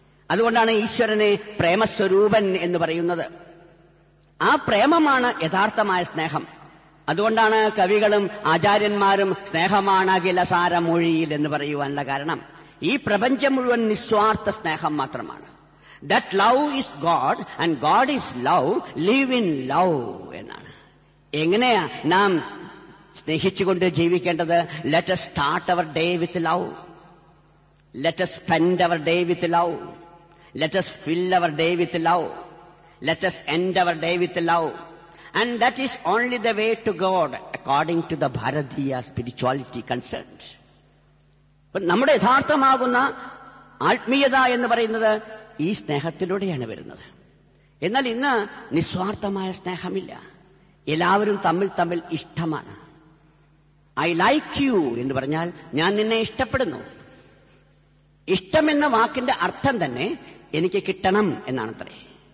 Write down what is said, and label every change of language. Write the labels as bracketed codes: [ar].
[ml] അതുകൊണ്ടാണ് ഈശ്വരനെ പ്രേമസ്വരൂപൻ എന്ന് പറയുന്നത്. ആ പ്രേമമാണ് യഥാർത്ഥമായ സ്നേഹം. അതുകൊണ്ടാണ് കവികളും ആചാര്യന്മാരും സ്നേഹമാണ് അഖിലസാര മൊഴിയിൽ എന്ന് പറയുവാനുള്ള കാരണം. ഈ പ്രപഞ്ചം മുഴുവൻ നിസ്വാർത്ഥ സ്നേഹം മാത്രമാണ്. [en] That love is God and God is love. Live in love. [ml] എന്നാണ്. എങ്ങനെയാ നാം സ്നേഹിച്ചുകൊണ്ട് ജീവിക്കേണ്ടത്? [en] Let us start our day with love. Let us spend our day with love. Let us fill our day with love. Let us end our day with love. And that is only the way to God according to the Bharatiya spirituality concerns. [ml] നമ്മുടെ യഥാർത്ഥമാകുന്ന ആത്മീയത എന്ന് പറയുന്നത് ഈ സ്നേഹത്തിലൂടെയാണ് വരുന്നത്. എന്നാൽ ഇന്ന് നിസ്വാർത്ഥമായ സ്നേഹമില്ല. എല്ലാവരും തമ്മിൽ തമ്മിൽ ഇഷ്ടമാണ്. [en] I like you [ml] എന്ന് പറഞ്ഞാൽ ഞാൻ നിന്നെ ഇഷ്ടപ്പെടുന്നു. ഇഷ്ടമെന്ന വാക്കിന്റെ അർത്ഥം തന്നെ എനിക്ക് കിട്ടണം എന്നാണത്രേ.